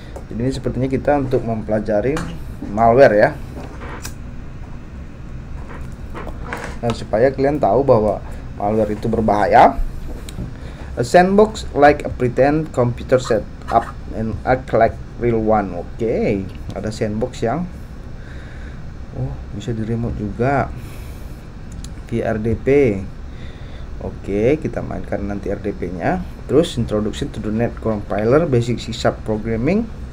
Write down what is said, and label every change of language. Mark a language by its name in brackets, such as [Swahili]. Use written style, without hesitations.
[Indonesian] Jadi ini sepertinya kita untuk mempelajari malware ya. Dan supaya kalian tahu bahwa malware itu berbahaya. [English] A sandbox like a pretend computer set up and act like real one. [Indonesian] Oke. Ada sandbox yang bisa di remote juga. VRDP. Oke, kita mainkan nanti RDP-nya. Terus [English] introduction to the net compiler, basic C sharp programming.